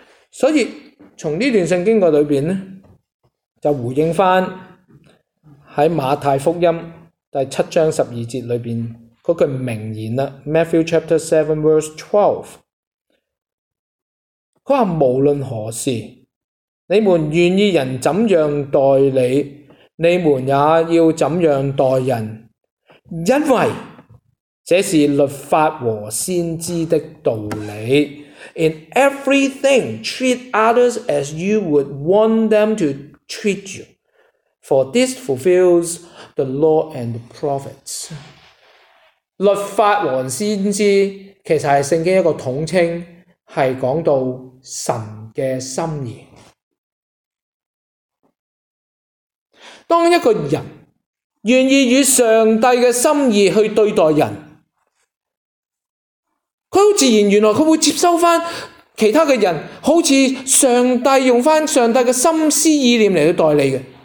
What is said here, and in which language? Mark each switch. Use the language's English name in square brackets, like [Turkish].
[Chinese] 所以从这段圣经的里面就回应回在马太福音第七章十二节里面那句名言 [English] Matthew chapter 7 verse 12， [Chinese] 他说无论何事你们愿意人怎样待你，你们也要怎样待人，因为这是律法和先知的道理。 [English] In everything, treat others as you would want them to treat you, for this fulfills the law and the prophets. [Chinese] 律法和先知其实是圣经一个统称，是讲到神的心意。当一个人愿意与上帝的心意去对待人，他很自然，原来他会接收回其他的人，好像上帝用回上帝的心思意念来待你的。